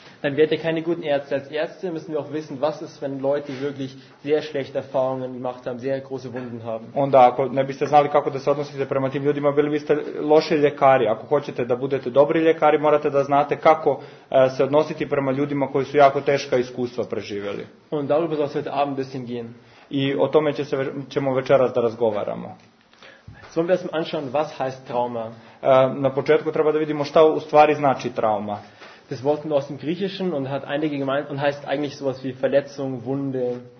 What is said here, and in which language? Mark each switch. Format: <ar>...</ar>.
<de>Dann werdet ihr keine guten Ärzte. Als Ärzte müssen wir auch wissen, was ist, wenn Leute wirklich sehr schlechte Erfahrungen gemacht haben, sehr große Wunden haben.</de> <bs>Onda, ako ne biste znali kako da se odnosite prema tim ljudima, bili biste loši ljekari. Ako hoćete da budete dobri ljekari, morate da znate kako se odnositi prema ljudima koji su jako teška iskustva preživjeli.</bs> <de>Und darüber soll es heute Abend ein bisschen gehen.</de> <bs>I o tome ćemo večeras da razgovaramo.</bs> <de>Sollen wir erst mal anschauen, was heißt Trauma?</de> <bs>Na početku treba da vidimo šta u stvari znači trauma.</bs> <de>Das Wort kommt aus dem Griechischen und hat einige gemeint und heißt eigentlich sowas wie Verletzung, Wunde.</de>